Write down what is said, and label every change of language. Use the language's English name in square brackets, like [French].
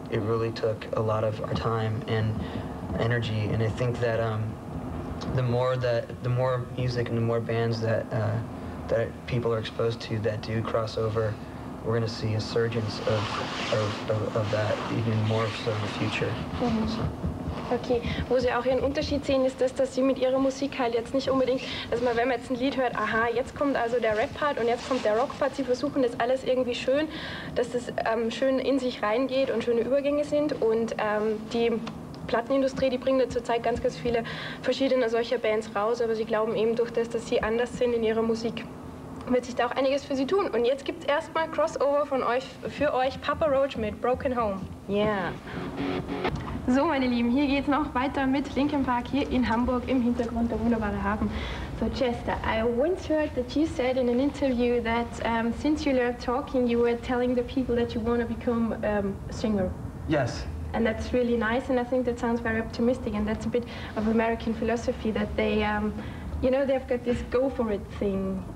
[English] It really took a lot of our time and energy, and I think that the more music and the more bands that that people are exposed to that do crossover, we're going to see a surgence of that even more so in the future. [German] Okay, wo Sie auch Ihren Unterschied sehen, ist das, dass Sie mit Ihrer Musik halt jetzt nicht unbedingt, dass man, wenn man jetzt ein Lied hört, aha, jetzt kommt also der Rap-Part und jetzt kommt der Rock-Part. Sie versuchen das alles irgendwie schön, dass das schön in sich reingeht und schöne Übergänge sind. Und die Plattenindustrie, die bringt ja zurzeit ganz, ganz viele verschiedene solcher Bands raus, aber Sie glauben eben durch das, dass Sie anders sind in Ihrer Musik, wird sich da auch einiges für Sie tun. Und jetzt gibt's erstmal Crossover von euch für euch, Papa Roach mit Broken Home. Yeah. So, meine Lieben, hier geht's noch weiter mit Linkin Park hier in Hamburg, im Hintergrund der wunderbare Hafen. [English] So, Chester, I once heard that you said in an interview that since you learned talking, you were telling the people that you want to become a singer. Yes. And that's really nice, and I think that sounds very optimistic, and that's a bit of American philosophy that they, you know, they've got this go for it thing.